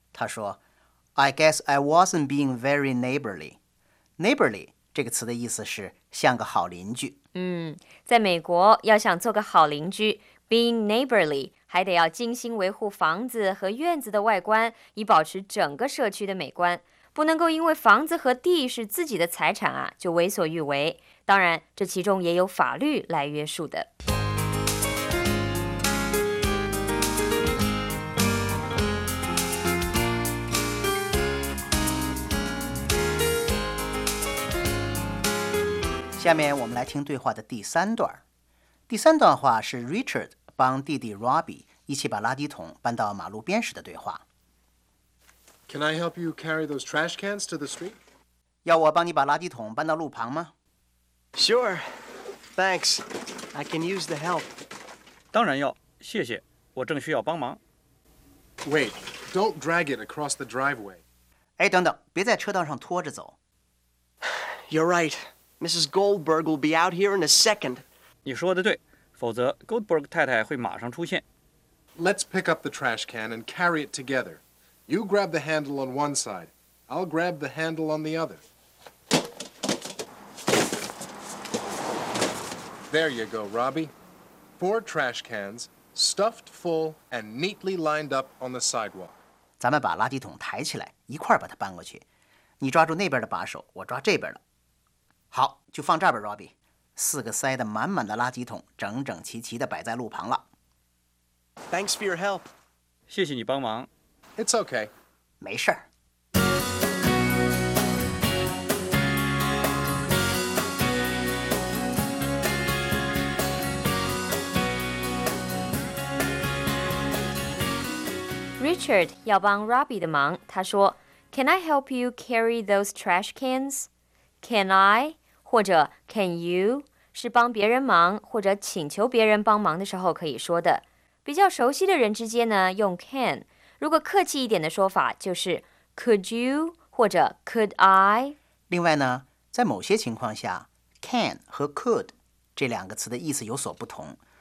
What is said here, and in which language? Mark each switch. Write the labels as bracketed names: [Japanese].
[Chinese] 他说 [English] I guess I wasn't being very neighborly. [Chinese] Neighborly 这个词的意思是像个好邻居。嗯，在美国要想做个好邻居 being neighborly 还得要精心维护房子和院子的外观，以保持整个社区的美观。不能够因为房子和地是自己的财产啊，就为所欲为。当然，这其中也有法律来约束的。下面我们来听对话的第三段。第三段话是 Richard 帮弟弟 Robbie 一起把垃圾桶搬到马路边时的对话。 [English] Can I help you carry those trash cans to the street? [Chinese] 要我帮你把垃圾桶搬到路旁吗？ [English] Sure. Thanks. I can use the help. [Chinese] 当然要，谢谢，我正需要帮忙。 [English] Wait, don't drag it across the driveway. [Chinese] 哎，等等，别在车道上拖着走。 [English] You're right. Mrs. Goldberg will be out here in a second. [Chinese] 你说的对，否则 Goldberg 太太会马上出现。 [English] Let's pick up the trash can and carry it together. You grab the handle on one side. I'll grab the handle on the other. There you go, Robbie. Four trash cans, stuffed full and neatly lined up on the sidewalk. [Chinese] 咱们把垃圾桶抬起来，一块把它搬过去。你抓住那边的把手，我抓这边的。好，就放这边 Robbie， 四个塞得满满的垃圾桶整整齐齐地摆在路旁了。 [English] Thanks for your help. [Chinese] 谢谢你帮忙。 [English] It's okay. [Chinese] 没事。 [English] Richard [Chinese] 要帮 Robbie 的忙，他说 [English] Can I help you carry those trash cans? Can I? [Chinese] 或者 can you 是帮别人忙或者请求别人帮忙的时候可以说的。比较熟悉的人之间呢，用 can。如果客气一点的说法，就是 could you 或者 could I。另外呢，在某些情况下 ，can 和 could 这两个词的意思有所不同。